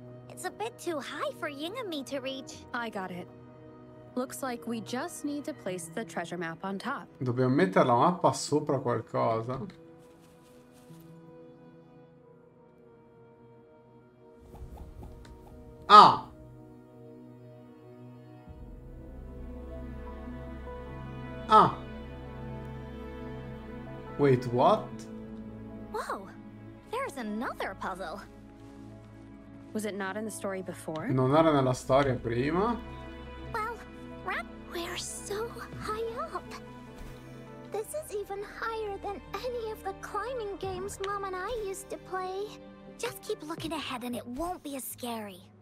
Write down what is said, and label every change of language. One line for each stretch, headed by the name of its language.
English: It's a bit too high for Ying and me to reach. I got it. Looks like we just need to place the treasure map on top.
Italian: Dobbiamo mettere la mappa sopra qualcosa. Ah! Ah!
English: Wait, what? Whoa! There's another puzzle! Was it not in the story before?
Italian: Non era nella storia prima?
English: Well, we're so high up! This is even higher than any of the climbing games Mom and I used to play. Just keep looking ahead and it won't be as scary.